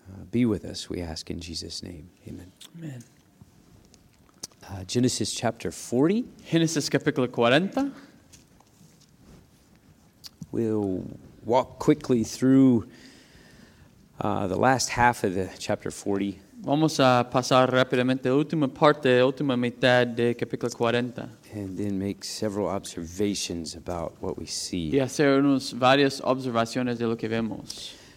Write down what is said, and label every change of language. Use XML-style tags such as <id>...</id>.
<en>Be with us, we ask in Jesus' name. Amen. Amen. Genesis chapter 40.</en> <es>Genesis capítulo 40.</es> <en>We'll walk quickly through the last half of the chapter 40.</en> <es>Vamos a pasar rápidamente la última parte, la última mitad de capítulo 40.</es> <en>And then make several observations about what we see.</en> <es>Y hacer unos varias observaciones de lo que vemos.</es>